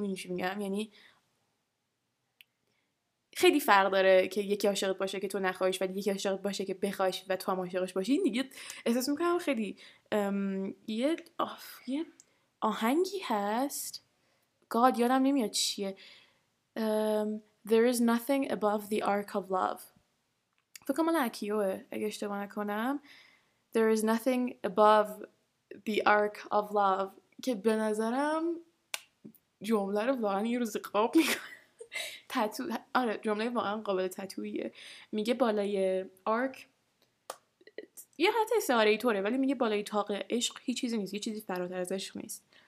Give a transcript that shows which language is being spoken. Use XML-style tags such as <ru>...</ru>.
<fa>میشه میگم یعنی خیلی فرق داره که یکی عاشقت باشه که تو نخواهیش ولی یکی عاشقت باشه که بخواهیش و تو هم عاشقش باشی. دیگه احساس میکنم خیلی یه آهنگی هست گاد یادم نمیاد چیه.</fa> <en>There is nothing above the arc of love.</en> <fa>فکر کنم اکیوه اگه اشتباه نکنم.</fa> <en>There is nothing above the arc of love</en> <fa>که به نظرم جمله رو واقعا یه روز قاب میکنم. آره جمله واقعا قابل تتوییه. میگه بالای arc یه حتی استعاره ای طوره ولی میگه بالای طاق عشق هیچ چیزی نیست، یه چیزی فراتر از عشق نیست.</fa>